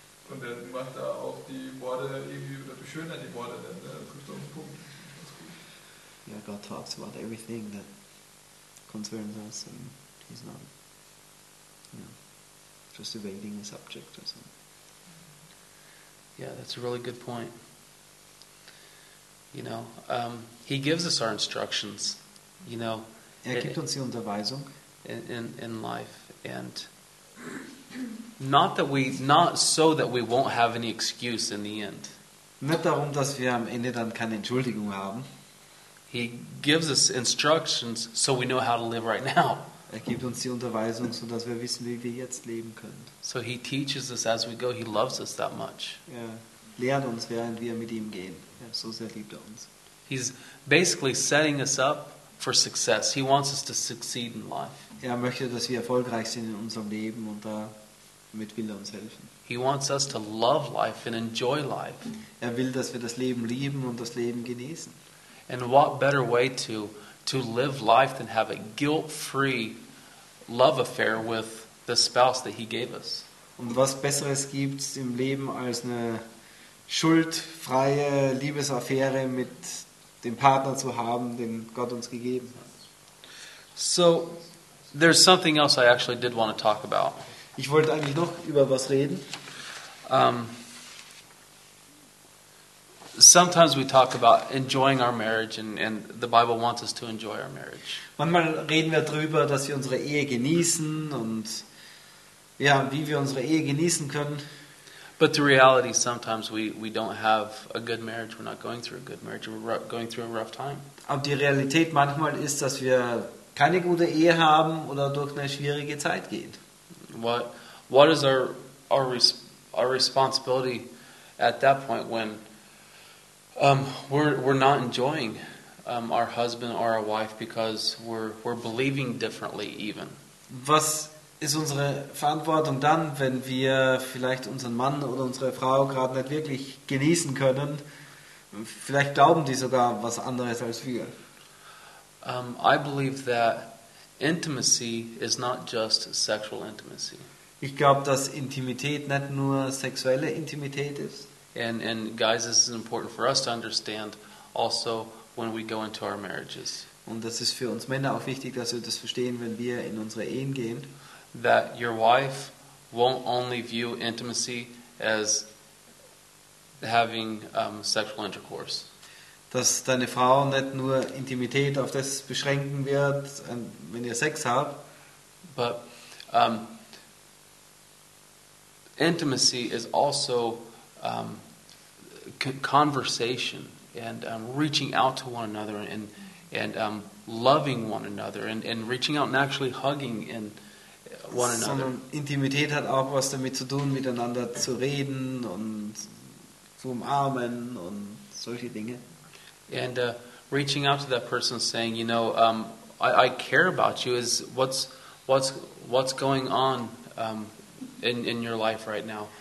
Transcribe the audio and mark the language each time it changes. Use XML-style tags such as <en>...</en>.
<de>Und er macht da auch die Worte irgendwie, oder beschönert die Worte, dann trifft er auf den Punkt.</de> <en>Ja, yeah, God talks about everything that concerns us and he's not, you know, just evading a subject or something. Yeah, that's a really good point. You know, he gives us our instructions, you know.</en> <de>Er gibt uns die Unterweisung.</de> <en>In life. And not so that we won't have any excuse in the end.</en> <de>Nicht darum, dass wir am Ende dann keine Entschuldigung haben.</de> <en>He gives us instructions so we know how to live right now.</en> <de>Er gibt uns die Unterweisung, so dass wir wissen, wie wir jetzt leben können.</de> <en>So he teaches us as we go. He loves us that much.</en> <de>Er lehrt uns, während wir mit ihm gehen. So sehr liebt er uns.</de> <en>He's basically setting us up for success. He wants us to succeed in life.</en> <de>Er möchte, dass wir erfolgreich sind in unserem Leben, und damit will er uns helfen.</de> <en>He wants us to love life and enjoy life.</en> <de>Er will, dass wir das Leben lieben und das Leben genießen.</de> <en>And what better way to live life than have a guilt-free love affair with the spouse that he gave us?</en> <de>Und was Besseres gibt es im Leben als eine schuldfreie Liebesaffäre mit dem Partner zu haben, den Gott uns gegeben hat.</de> <en>So, there's something else I actually did want to talk about.</en> <de>Ich wollte eigentlich noch über was reden.</de> <en>Sometimes we talk about enjoying our marriage, and the Bible wants us to enjoy our marriage.</en> <de>Manchmal reden wir darüber, dass wir unsere Ehe genießen und ja, wie wir unsere Ehe genießen können.</de> <en>But the reality, sometimes we don't have a good marriage. We're not going through a good marriage. We're going through a rough time.</en> <de>Aber die Realität manchmal ist, dass wir keine gute Ehe haben oder durch eine schwierige Zeit gehen.</de> <en>What is our responsibility at that point when we're not enjoying our husband or our wife because we're believing differently even?</en> <de>Was ist unsere Verantwortung dann, wenn wir vielleicht unseren Mann oder unsere Frau gerade nicht wirklich genießen können? Vielleicht glauben die sogar was anderes als wir.</de> <en>I believe that intimacy is not just sexual intimacy.</en> <de>Ich glaube, dass Intimität nicht nur sexuelle Intimität ist.</de> <en>And guys, this is important for us to understand also when we go into our marriages.</en> <de>Und das ist für uns Männer auch wichtig, dass wir das verstehen, wenn wir in unsere Ehen gehen.</de> <en>That your wife won't only view intimacy as having sexual intercourse.</en> <de>Dass deine Frau nicht nur Intimität auf das beschränken wird, wenn ihr Sex habt.</de> <en>But intimacy is also conversation and reaching out to one another and loving one another and reaching out and actually hugging and one another.</en> <de>Sondern Intimität hat auch was damit zu tun, miteinander zu reden und zu umarmen und solche Dinge.</de> <en>And reaching out to that person saying, you know, I care about you, is what's going on in your life right now.</en>